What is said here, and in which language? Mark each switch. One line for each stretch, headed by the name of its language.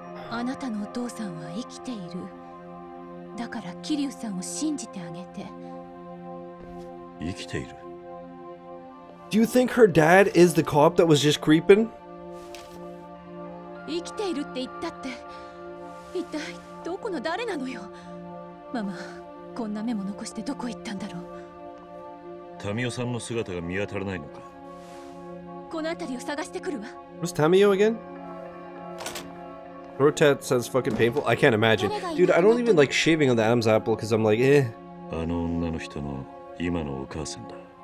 Japanese: あなたのお父さんは生きている。だからキリュウさんを信じてあげて。生きている?
English: Do you think her dad is the cop that was just creeping?
Japanese: 生きているって言ったって。一体どこの誰なのよ。ママ、こんなメモ残してどこ行ったんだろう。タミオさんの姿が見当たらないのか。この辺りを探してくるわ。
English: Was Tamio again? Throat tat sounds fucking painful. I can't imagine. Dude, I don't even like shaving on the Adam's apple because I'm like, eh.
Japanese: あの女の人の今のお母さんだ。